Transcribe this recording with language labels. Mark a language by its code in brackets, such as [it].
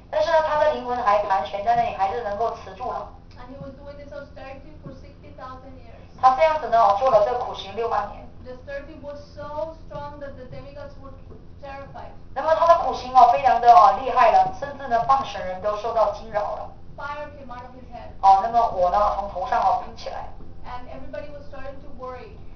[zh] 但是呢他的灵魂还盘旋在那里还是能够持住了 [en] and he was doing this austerity for 60,000 years [zh] 他这样子呢做了这个苦行六万年 [en] The austerity was so strong that the demigods were terrified. [zh] 那么他的苦行非常的厉害了，甚至呢半神人都受到惊扰了。 [en] Fire came out of his head. [zh] 那么火呢从头上喷起来。 [en] And everybody was starting to worry.